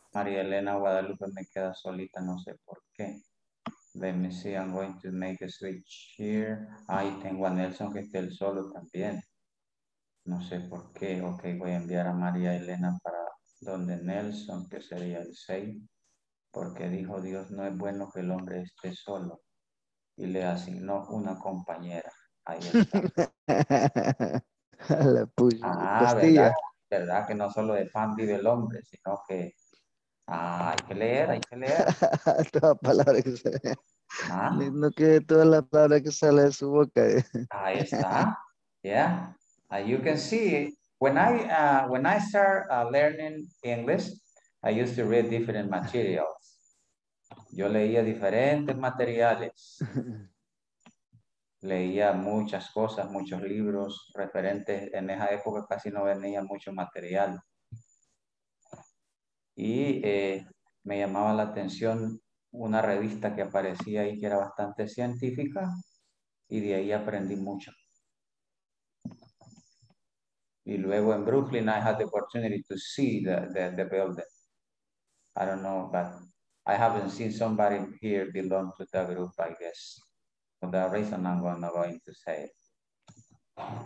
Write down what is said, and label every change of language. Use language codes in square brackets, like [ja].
[es] María Elena Guadalupe me queda solita, no sé por qué. [en] Let me see, I'm going to make a switch here. [es] Ahí tengo a Nelson que esté el solo también. No sé por qué. Ok, voy a enviar a María Elena para donde Nelson, que sería el 6. Porque dijo Dios, no es bueno que el hombre esté solo. Y le asignó una compañera. Ahí está. La puya. Ah, ¿verdad? Que no solo de pan vive el hombre, sino que... hay que leer. Toda palabra que sale. ¿Ah? No quede toda la palabra que sale de su boca. Ahí está. Yeah. [en] You can see, when I start learning English, I used to read different materials. [es] Yo leía diferentes materiales. Leía muchas cosas, muchos libros referentes. En esa época casi no venía mucho material. Y me llamaba la atención una revista que aparecía ahí que era bastante científica y de ahí aprendí mucho. Y luego en [en] Brooklyn I had the opportunity to see the building. I don't know, but I haven't seen somebody here belong to that group, I guess. For that reason I'm not going to say it.